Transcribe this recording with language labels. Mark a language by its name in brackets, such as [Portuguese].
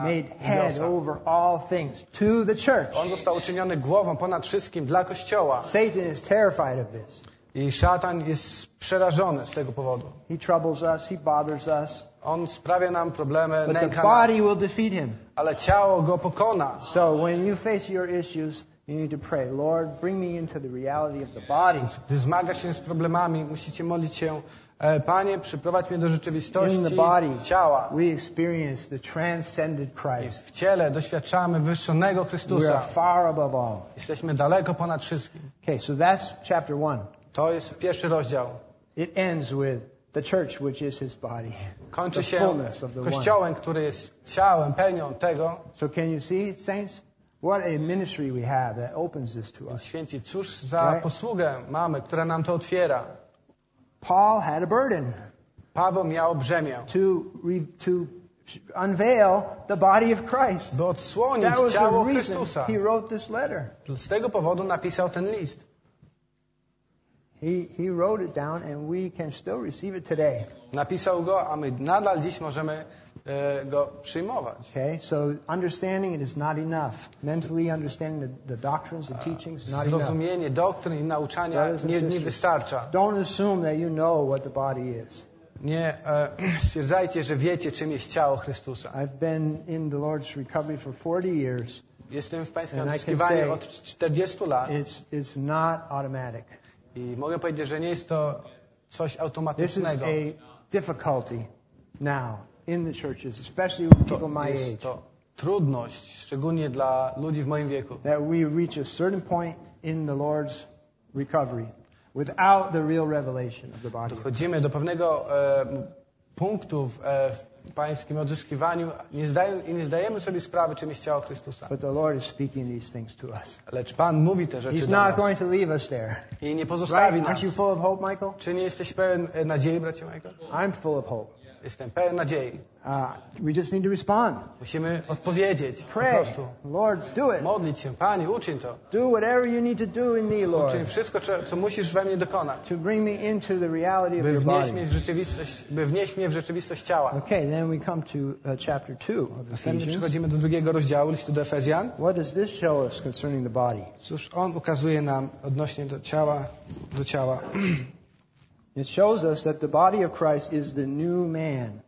[English] made head over all things to the church. [Polish] On został uczyniony głową ponad wszystkim dla Kościoła. [English] Satan is terrified of this. [Polish] I szatan jest przerażony z tego powodu. [English] He troubles us, he bothers us. [Polish] On sprawia nam problemy, [English] but [Polish] nęka [English] the body [Polish] nas. [English] Will defeat him. [Polish] Ale ciało go pokona. [English] So when you face your issues, you need to pray, Lord, bring me into the reality of the body. [Polish] Gdy zmagasz się z problemami, musicie modlić się, Panie, przyprowadź mnie do rzeczywistości ciała. [English] We experience the transcended Christ. [Polish] W ciele doświadczamy wyższonego Chrystusa. [English] We are far above all. [Polish] Jesteśmy daleko ponad wszystkim. [English] Okay, so that's chapter one. [Polish] To jest pierwszy rozdział. [English] It ends with the church, which is his body. [Polish] Kończy się kościołem, który jest ciałem, pełnią tego. [English] So can you see, saints? What a ministry we have that opens this to us. [Polish] Święci, cóż za posługę mamy, która nam to otwiera. [English] Paul had a burden. [Polish] Paweł miał brzemię. [English] To unveil the body of Christ. [Polish] By odsłonić ciało Chrystusa. [English] He wrote this letter. [Polish] Z tego powodu napisał ten list. [English] He wrote it down and we can still receive it today. [Polish] Napisał go, a my nadal dziś możemy go przyjmować. [English] Okay, so understanding it is not enough. Mentally understanding the doctrines and teachings is not enough. [Polish] Zrozumienie doktryn i nauczania nie wystarcza. [English] Don't assume that you know what the body is. [Polish] Nie stwierdzajcie, że wiecie, czym jest ciało Chrystusa. [English] I've been in the Lord's recovery for 40 years. [Polish] Jestem w Pańskim odzyskiwaniu od 40 lat. [English] It's not automatic. [Polish] I mogę powiedzieć, że nie jest to coś automatycznego. [English] This is a difficulty now in the churches, especially [Polish] to [English] people my [Polish] jest [English] age. [Polish] To trudność, szczególnie dla ludzi w moim wieku. [English] That we reach a certain point in the Lord's recovery without the real revelation of the body. [Polish] Dochodzimy do pewnego punktu w Pańskim odzyskiwaniu nie zdajemy sobie sprawy, czym jest ciało Chrystusa. [English] But the Lord is speaking these things to us. [Polish] Lecz Pan mówi te rzeczy [English] He's [Polish] do nas. [English] Not going to leave us there. [Polish] I nie pozostawi nas. [English] Aren't you full of hope, Michael? [Polish] Czy nie jesteś pełen nadziei, bracie Michael? [English] I'm full of hope. [Polish] Jestem pełen nadziei. [English] We just need to respond. [Polish] Musimy odpowiedzieć. [English] Pray. [Polish] Po prostu. [English] Lord, do it. [Polish] Modlić się. Panie, uczyń to. [English] Do whatever you need to do in me, Lord. [Polish] Uczyń wszystko, co musisz we mnie dokonać. [English] To bring me into the reality of your body. [Polish] By wnieść mnie w rzeczywistość ciała. [English] Okay, then we come to chapter 2 of Ephesians. [Polish] Następnie przechodzimy do drugiego rozdziału listu do Efezjan. [English] What does this show us concerning the body? [Polish] Cóż on ukazuje nam odnośnie do ciała. [English] It shows us that the body of Christ is the new man.